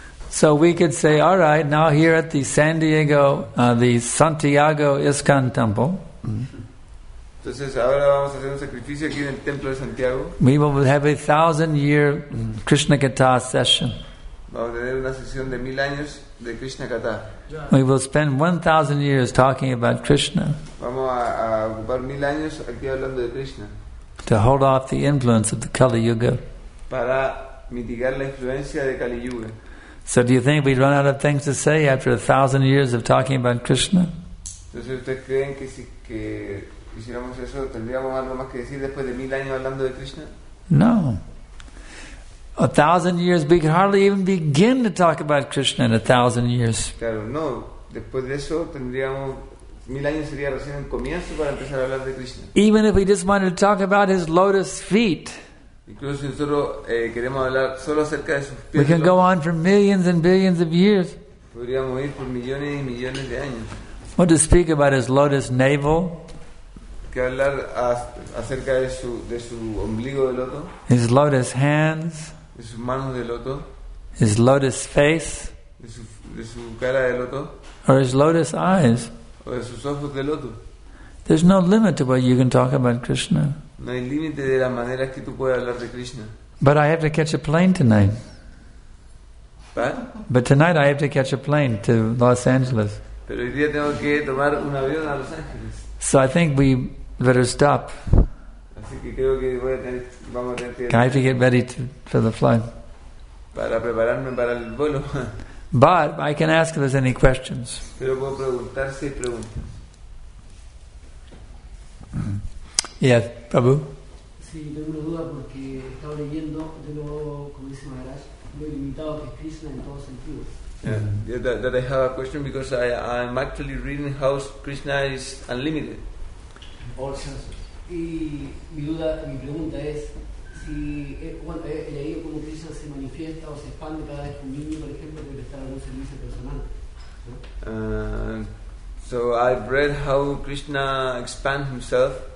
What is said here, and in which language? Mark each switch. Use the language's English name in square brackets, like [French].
[English] So we could say, all right, now here at the San Diego, the Santiago ISKCON Temple, [Spanish] entonces, ahora vamos a hacer un sacrificio aquí en el Templo de Santiago. [English] We will have a 1,000-year Krishna Katha session. [Spanish] Vamos a tener una sesión de 1,000 años de Krishna Katha. [English] We will spend 1,000 years talking about Krishna. [Spanish] Vamos a ocupar 1,000 años aquí hablando de Krishna. [English] To hold off the influence of the Kali Yuga. [Spanish] Para mitigar la influencia de Kali Yuga. [English] So do you think we run out of things to say after 1,000 years of talking about Krishna? [Spanish] Entonces ustedes creen que si que hiciéramos eso tendríamos algo más que decir después de 1,000 años hablando de Krishna? [English] No. 1,000 years, we could hardly even begin to talk about Krishna in 1,000 years. [Spanish] Claro, no. Después de eso tendríamos 1,000 años sería recién un comienzo para empezar a hablar de Krishna. [English] Even if we just wanted to talk about his lotus feet. [Spanish] Incluso si nosotros queremos hablar solo acerca de sus pies. [English] We can go on for millions and billions of years. [Spanish] Podríamos ir por millones y millones de años. [English] What to speak about his lotus navel? [Spanish] Que hablar acerca de su ombligo de loto. [English] His lotus hands. [Spanish] De sus manos de loto. [English] His lotus face. [Spanish] De su cara de loto. [English] Or his lotus eyes. [Spanish] O de sus ojos de loto. [English] There's no limit to what you can talk about Krishna. [Spanish] No hay límite de la manera que tú puedes hablar de Krishna. [English] But I have to catch a plane tonight. What? But tonight I have to catch a plane to Los Angeles. [Spanish] Pero hoy día tengo que tomar un avión a Los Ángeles. [English] So I think we better stop. [Spanish] Así que creo que vamos a tener. [English] I have to get ready for the flight. [Spanish] Para prepararme para el vuelo. [English] But I can ask if there's any questions. [Spanish] Pero puedo preguntar si hay preguntas. [English] Yes, Prabhu. [Spanish] Sí, tengo una duda porque estaba leyendo de lo, como dice Maharaj, lo ilimitado que es Krishna en todos sentidos. [English] That I have a question because I'm actually reading how Krishna is unlimited. All senses. [Spanish] Y mi pregunta es si leí cómo Krishna se manifiesta o se expande cada vez que un niño, por ejemplo, puede estar en un servicio personal. [English] So I've read how Krishna expands himself.